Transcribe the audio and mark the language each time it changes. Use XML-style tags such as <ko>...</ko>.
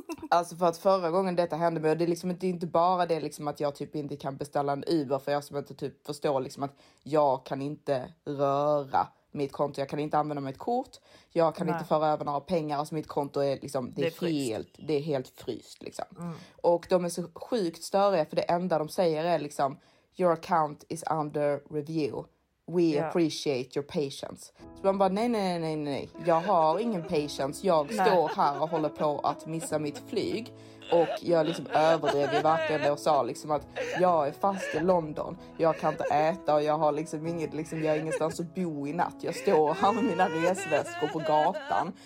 <sv>Alltså för att förra gången detta hände mig, det är liksom inte bara det liksom att jag typ inte kan beställa en Uber, för jag som inte typ förstår liksom att jag kan inte röra mitt konto, jag kan inte använda mitt kort, jag kan inte föra över några pengar, alltså mitt konto är liksom, det är helt fryst liksom. Mm. Och de är så sjukt störiga, för det enda de säger är liksom,</sv> <en>your account is under review. We appreciate your patience.</en> <sv>Så man bara, nej. Jag har ingen patience. Jag står här och håller på att missa mitt flyg. Och jag liksom överdrev i verkande och sa liksom att jag är fast i London. Jag kan inte äta och jag har liksom inget, liksom jag har ingenstans att bo i natt. Jag står här med mina resväskor på gatan.</sv>